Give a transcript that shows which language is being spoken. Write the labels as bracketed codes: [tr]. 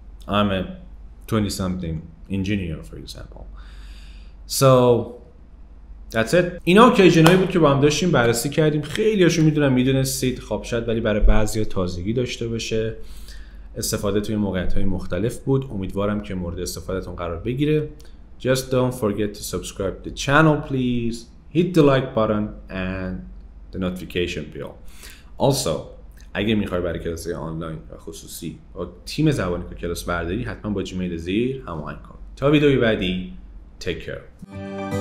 [en] I'm a 20 something engineer for example. So that's it. [fa] اینا اوکیژنایی بود که با هم داشتیم بررسی کردیم. خیلی هاشو میدونم میدونستید خواب شد ولی برای بعضی ها تازگی داشته باشه. استفاده توی موقعیت های مختلف بود. امیدوارم که مورد استفادهتون قرار بگیره. [en] Just don't forget to subscribe the channel please. Hit the like button and the notification bell. [fa] Also, اگه میخوای برای کلاس آنلاین و خصوصی با تیم زبانی که کلاس برداری حتما با جیمیل زیر هماهنگ کن. تا ویدیوی بعدی. [en] Take care.